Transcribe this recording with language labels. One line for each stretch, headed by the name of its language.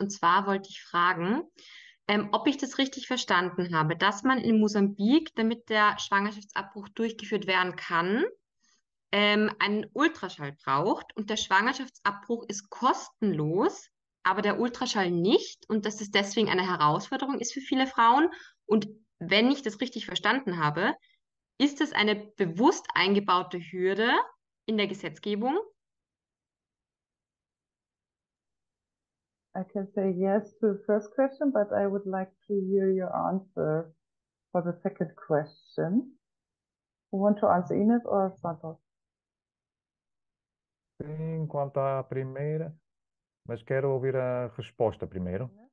German: Und zwar wollte ich fragen, ob ich das richtig verstanden habe, dass man in Mosambik, damit der Schwangerschaftsabbruch durchgeführt werden kann, einen Ultraschall braucht und der Schwangerschaftsabbruch ist kostenlos, aber der Ultraschall nicht, und dass es deswegen eine Herausforderung ist für viele Frauen. Und wenn ich das richtig verstanden habe, ist das eine bewusst eingebaute Hürde in der Gesetzgebung?
English: I can say yes to the first question, but I would like to hear your answer for the second question. You want to answer Ines or Santos?
Portuguese: Sim, quanto à primeira, mas quero ouvir a resposta primeiro.